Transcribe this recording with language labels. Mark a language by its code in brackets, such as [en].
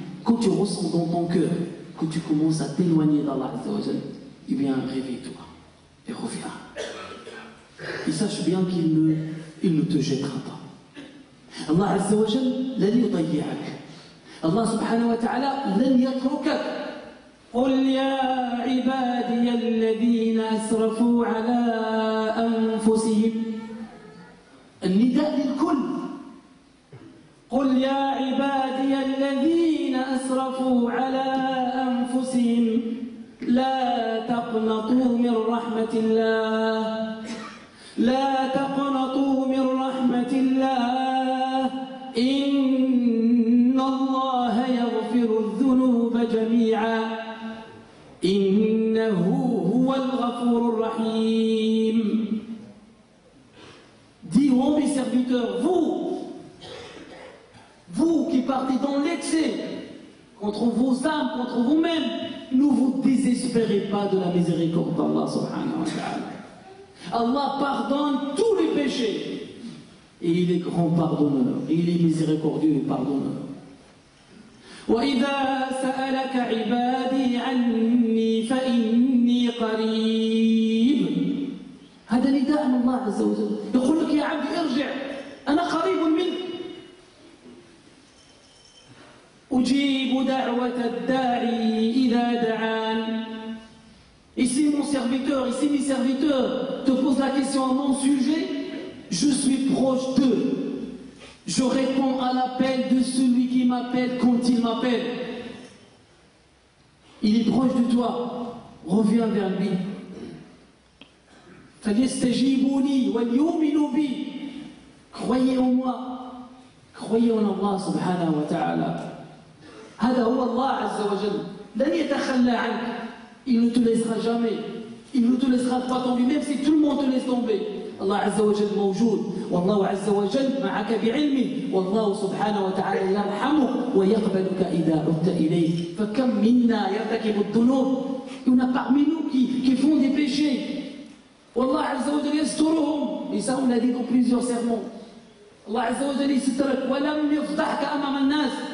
[fr] Quand tu ressens dans ton cœur que tu commences à t'éloigner d'Allah عز وجل, eh bien réveille-toi et reviens. Et sache bien qu'il ne te jettera pas. [ar] الله عز وجل لن يضيعك. الله سبحانه وتعالى لن يتركك. قل يا عبادي الذين أسرفوا على أنفسهم. النداء للكل. قل يا عبادي الذين أسرفوا على أنفسهم لا تقنطوا من رحمة الله. لا تقنطوا من رحمة الله. إن الله يغفر الذنوب جميعا إنه هو الغفور الرحيم. [fr] Dis ô mes serviteurs, vous qui partez dans l'excès contre vos âmes, contre vous-mêmes, ne vous désespérez pas de la miséricorde d'Allah subhanahu wa ta'ala. Allah pardonne tous les péchés. Et il est grand pardonneur, et il est miséricordieux et pardonneur. [ar] وَإِذَا سَأَلَكَ عِبَادِي عَنِّي فَإِنِّي قَرِيبٌ. هذا نداء من الله عز وجل. يقول لك يا عبد ارجع، أنا قريب منك. أجيب دعوة الداعي إذا دعان. [fr] Ici mon serviteur, ici mes serviteurs te posent la question à mon sujet. Je suis proche d'eux. Je réponds à l'appel de celui qui m'appelle quand il m'appelle. Il est proche de toi. Reviens vers lui. [ar] Fayastajibuni wa yu'minu bi. [fr] Croyez en moi. Croyez en Allah subhanahu wa ta'ala. [ar] Hada huwa Allah azza wa jalla. Lan yatakhalla 'ank. [fr] Il ne te laissera jamais. Il ne te laissera pas tomber, même si tout le monde te laisse tomber. [ar] الله عز وجل موجود والله عز وجل معك بعلمه والله سبحانه وتعالى يرحمه ويقبلك إذا عدت إليه فكم منا يرتكب الذنوب هنا [fr] parmi nous qui font des péchés [ar] والله عز وجل يسترهم [fr] et ça on a dit dans plusieurs sermons [ar] الله عز وجل يسترك ولم يفضحك أمام الناس.